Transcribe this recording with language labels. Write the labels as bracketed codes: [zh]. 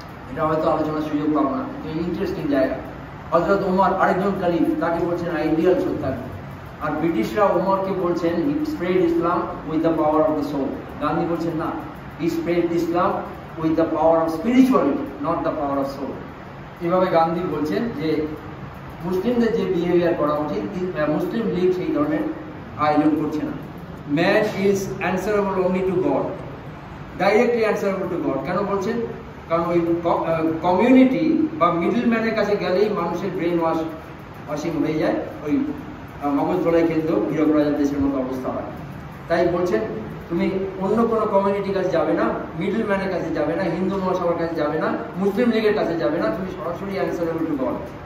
[bn] এটা হয়তো আলোচনার সুযোগ পাবো না, কিন্তু ইন্টারেস্টিং জায়গা, হযরত ওমর আরেকজন খালিফ তাকে বলছেন আইডিয়াল সত্যাগ্রহী, আর ব্রিটিশরা ওমরকে বলছেন [en] he spread Islam with the power of the soul, [bn] Gandhi বলছেন না, [en] He spread Islam with the power of spirituality not the power of soul. [bn] এভাবে গান্ধী বলছেন যে মুসলিমদের যে বিহেভিয়ার করা উচিত, মুসলিম লীগ সেই ধরনের আয়োজন করছে না, [en] man is answerable only to God, directly answerable to God. [bn] কেন বলছেন? কারণ ওই কমিউনিটি বা মিডলম্যানের কাছে গেলেই মানুষের ব্রেন ওয়াশ ওয়াশিং হয়ে যায়, ওই মগজ ধোলাই কিন্তু ভিরক রাজার দেশের মতো অবস্থা হয়। তাই বলছেন তুমি অন্য কোনো কমিউনিটির কাছে যাবে না, মিডলম্যানের কাছে যাবে না, হিন্দু মহাসভার কাছে যাবে না, মুসলিম লীগের কাছে যাবে না, তুমি সরাসরি [en] Answerable to God.